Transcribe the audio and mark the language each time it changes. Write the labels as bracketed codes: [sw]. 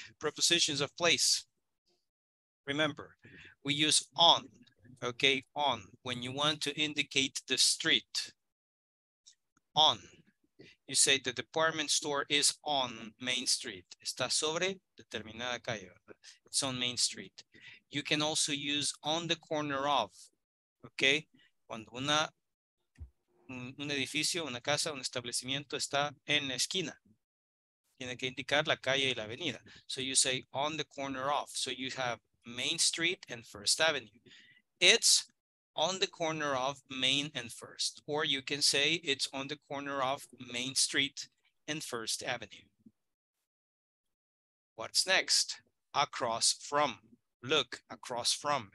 [en] Prepositions of place. Remember, we use on, okay, on, when you want to indicate the street. On, you say the department store is on Main Street. [es] Está sobre determinada calle. [en] It's on Main Street. You can also use on the corner of. [es] Okay, cuando un edificio, una casa, un establecimiento está en la esquina, tiene que indicar la calle y la avenida. [en] So you say on the corner of. So you have Main Street and First Avenue. It's on the corner of Main and First, or you can say it's on the corner of Main Street and First Avenue. What's next? Across from. Look, across from.